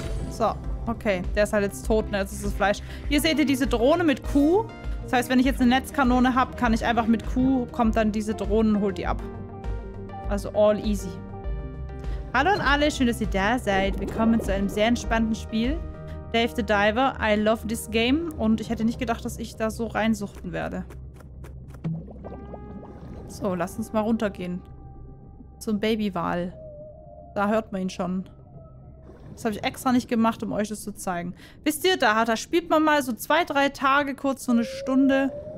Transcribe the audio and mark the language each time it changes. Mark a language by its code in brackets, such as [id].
[de] So, okay. Der ist halt jetzt tot, ne? Jetzt ist das Fleisch. Hier seht ihr diese Drohne mit Kuh. Das heißt, wenn ich jetzt eine Netzkanone habe, kann ich einfach mit Kuh, kommt dann diese Drohne und holt die ab. Also [en] all easy. [de] Hallo an alle, schön, dass ihr da seid. Willkommen zu einem sehr entspannten Spiel. [en] Dave the Diver, I love this game. [de] Und ich hätte nicht gedacht, dass ich da so reinsuchten werde. So, lass uns mal runtergehen. Zum Babywal. Da hört man ihn schon. Das habe ich extra nicht gemacht, um euch das zu zeigen. Wisst ihr, da spielt man mal so 2-3 Tage, kurz so eine Stunde.